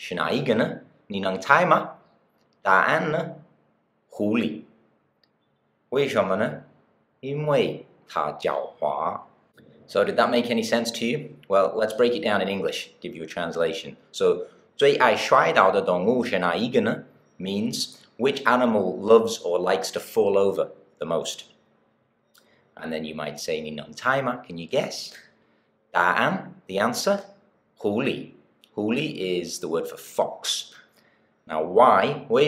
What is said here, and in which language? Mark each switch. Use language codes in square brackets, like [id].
[zh] 最爱摔倒的动物是哪一个呢？你能猜吗？答案呢？狐狸。 [en] So did that make any sense to you? Well, let's break it down in English, give you a translation. So, [zh] 最爱摔倒的动物是哪一个呢? [en] Means, which animal loves or likes to fall over the most? And then you might say, [zh] 你能猜吗? [en] Can you guess? 答案, the answer, 狐狸. 狐狸 is the word for fox. Now, why?